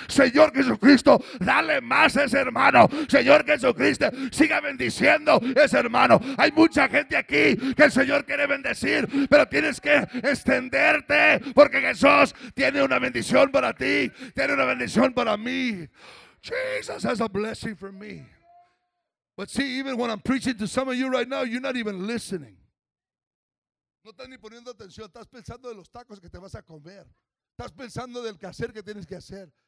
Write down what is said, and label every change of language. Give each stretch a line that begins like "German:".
Spanish: Señor Jesucristo, dale más a ese hermano. Señor Jesucristo, siga bendiciendo a ese hermano. Hay mucha gente aquí que el Señor quiere bendecir, pero tienes que extenderte porque Jesús tiene una bendición para ti. Tiene una bendición para mí.
English: Jesus has a blessing for me. But see, even when I'm preaching to some of you right now, you're not even listening.
Spanish: No estás ni poniendo atención. Estás pensando de los tacos que te vas a comer. Estás pensando del quehacer que tienes que hacer.